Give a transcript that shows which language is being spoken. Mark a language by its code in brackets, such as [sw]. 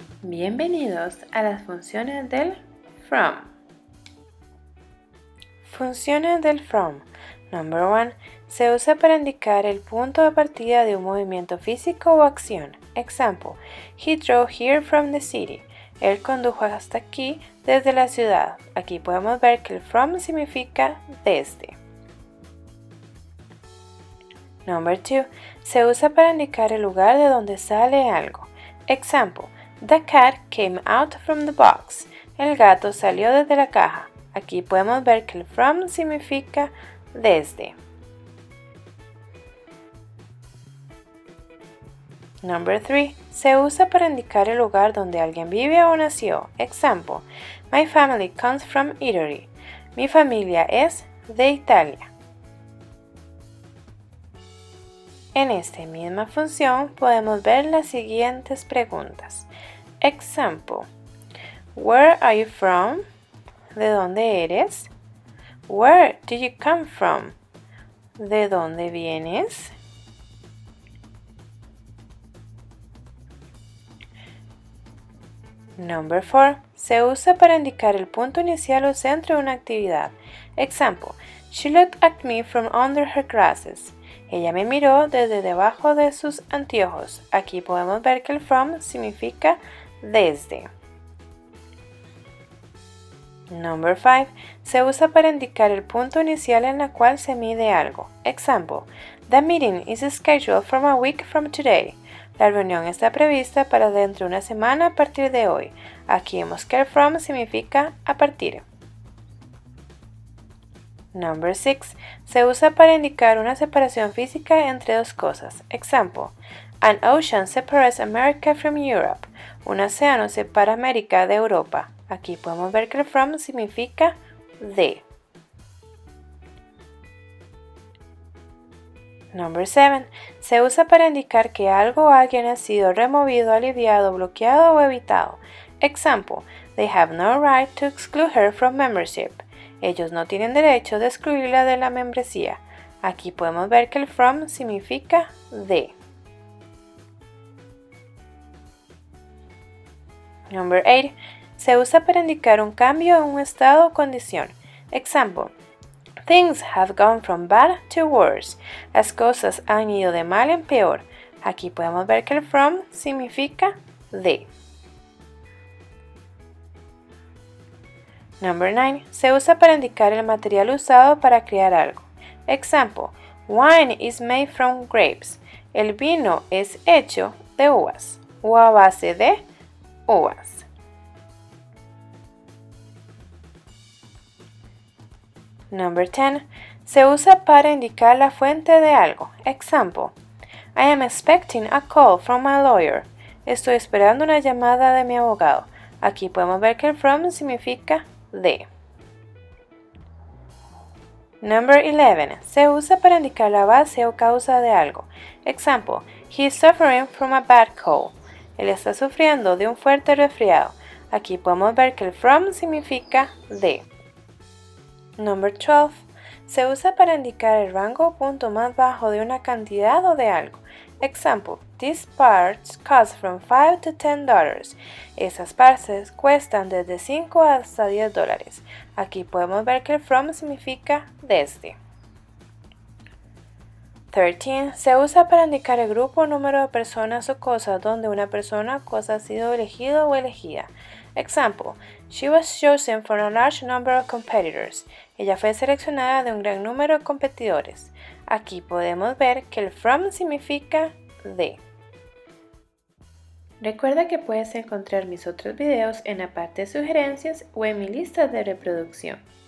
[es] Bienvenidos a las funciones del from. Funciones del from. [en] Number 1. [es] Se usa para indicar el punto de partida de un movimiento físico o acción. [en] Example: He drove here from the city. [es] Él condujo hasta aquí desde la ciudad. Aquí podemos ver que el from significa desde. [en] Number 2. [es] Se usa para indicar el lugar de donde sale algo. [en] Example: The cat came out from the box. [es] El gato salió desde la caja. Aquí podemos ver que el from significa desde. [en] Number 3. [es] Se usa para indicar el lugar donde alguien vive o nació. [en] Example: My family comes from Italy. [es] Mi familia es de Italia. En esta misma función podemos ver las siguientes preguntas. [en] Example: Where are you from? [es] ¿De dónde eres? [en] Where do you come from? [es] ¿De dónde vienes? [en] Number 4. [es] Se usa para indicar el punto inicial o centro de una actividad. [en] Example: She looked at me from under her glasses. [es] Ella me miró desde debajo de sus anteojos. Aquí podemos ver que el from significa desde. [en] Number 5. [es] Se usa para indicar el punto inicial en el cual se mide algo. [en] Example: The meeting is scheduled for a week from today. [es] La reunión está prevista para dentro de una semana a partir de hoy. Aquí vemos que el from significa a partir. [en] Number 6. [es] Se usa para indicar una separación física entre dos cosas. [en] Example: An ocean separates America from Europe. [es] Un océano separa América de Europa. Aquí podemos ver que el from significa de. [en] Number 7. [es] Se usa para indicar que algo o alguien ha sido removido, aliviado, bloqueado o evitado. [en] Example: They have no right to exclude her from membership. [es] Ellos no tienen derecho de excluirla de la membresía. Aquí podemos ver que el from significa de. [en] Number 8. [es] Se usa para indicar un cambio en un estado o condición. [en] Example: Things have gone from bad to worse. [es] Las cosas han ido de mal en peor. Aquí podemos ver que el from significa de. [en] Number 9. [es] Se usa para indicar el material usado para crear algo. [en] Example: Wine is made from grapes. [es] El vino es hecho de uvas o a base de uvas. [en] Number 10. [es] Se usa para indicar la fuente de algo. [en] Example: I am expecting a call from my lawyer. [es] Estoy esperando una llamada de mi abogado. Aquí podemos ver que el from significa de. [en] Number 11. [es] Se usa para indicar la base o causa de algo. [en] Example: He is suffering from a bad cold. [es] Él está sufriendo de un fuerte resfriado. Aquí podemos ver que el from significa de. [en] Number 12. [es] Se usa para indicar el rango o punto más bajo de una cantidad o de algo. [en] Example: These parts cost from $5 to $10. [es] Esas partes cuestan desde 5 hasta 10 dólares. Aquí podemos ver que el from significa desde. 13. Se usa para indicar el grupo o número de personas o cosas donde una persona o cosa ha sido elegido o elegida. [en] Example: She was chosen from a large number of competitors. [es] Ella fue seleccionada de un gran número de competidores. Aquí podemos ver que el from significa de. Recuerda que puedes encontrar mis otros videos en la parte de sugerencias o en mi lista de reproducción.